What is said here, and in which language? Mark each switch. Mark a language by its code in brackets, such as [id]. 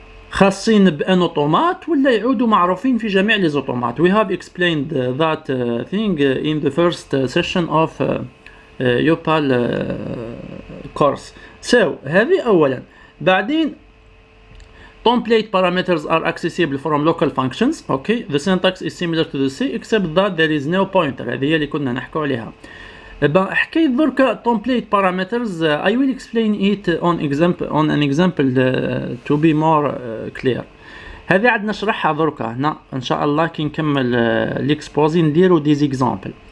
[ar] خاصين بان اوتومات ولا يعودوا معروفين في جميع لي زوتومات. [en] We have explained that thing in the first session of Yopal course. So, [ar] هذه اولا. بعدين [en] template parameters are accessible from local functions. Okay, the syntax is similar to the C except that there is no pointer. [ar] هذه هي اللي كنا نحكوا عليها. حكيت درك [en] template parameters. I will explain it on example, on an example to be more clear. [ar] هذه عاد نشرحها درك هنا ان شاء الله كي نكمل الاكسبوزي نديرو ديز اكزامبل.